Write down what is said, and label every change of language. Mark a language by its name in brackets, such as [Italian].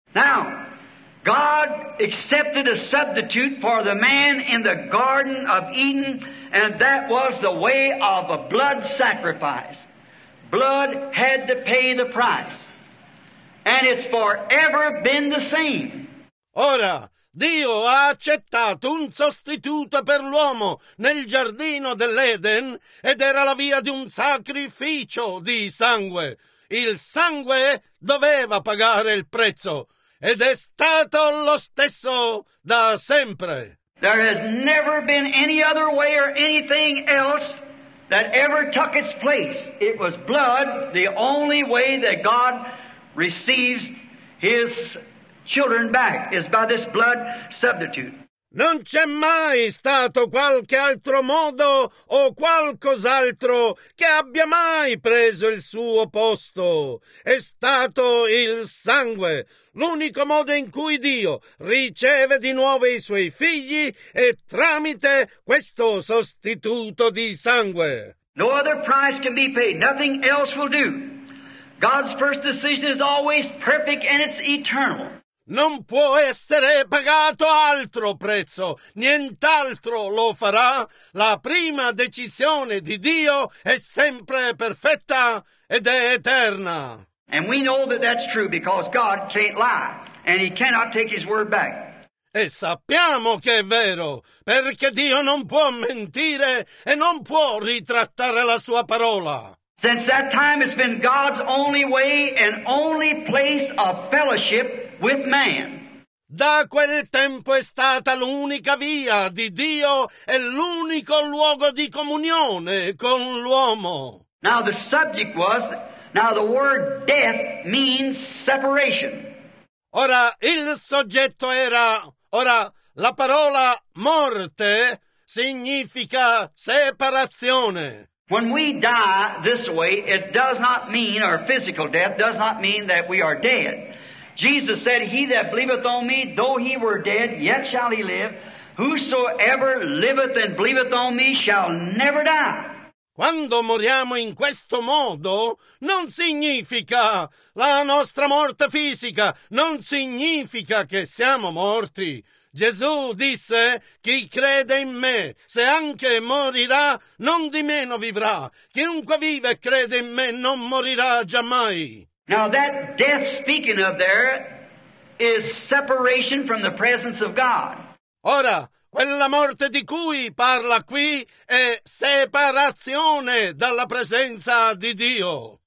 [English] Now, God accepted a substitute for the man in the Garden of Eden, and that was the way of a blood sacrifice. Blood had to pay the price. And it's forever been the same. [Italian] Ora, Dio ha accettato un sostituto per l'uomo nel giardino dell'Eden ed era la via di un sacrificio di sangue. Il sangue doveva pagare il prezzo ed è stato lo stesso da sempre. [English] There has never been any other way or anything else that ever took its place. It was blood, the only way that God receives his children back is by this blood substitute. [Italian] Non c'è mai stato qualche altro modo o qualcos'altro che abbia mai preso il suo posto. È stato il sangue. L'unico modo in cui Dio riceve di nuovo i suoi figli è tramite questo sostituto di sangue. [English] No other price can be paid. Nothing else will do. God's first decision is always perfect and it's eternal. [Italian] Non può essere pagato altro prezzo. Nient'altro lo farà. La prima decisione di Dio è sempre perfetta ed è eterna. [English] And we know that that's true because God can't lie and he cannot take his word back. [Italian] E sappiamo che è vero perché Dio non può mentire e non può ritrattare la sua parola. [English] Since that time, it's been God's only way and only place of fellowship with man. [Italian] Da quel tempo è stata l'unica via di Dio e l'unico luogo di comunione con l'uomo. [English] Now the subject was Now the word death means separation. [Italian] Ora il soggetto era, ora la parola morte significa separazione. [English] When we die this way, it does not mean, our physical death does not mean that we are dead. Jesus said, he that believeth on me, though he were dead, yet shall he live. Whosoever liveth and believeth on me shall never die. [Italian] Quando moriamo in questo modo, non significa la nostra morte fisica, non significa che siamo morti. Gesù disse, chi crede in me, se anche morirà, non di meno vivrà. Chiunque vive e crede in me non morirà giammai. [English] Now that death speaking of there is separation from the presence of God. [Italian] Ora, quella morte di cui parla qui è separazione dalla presenza di Dio.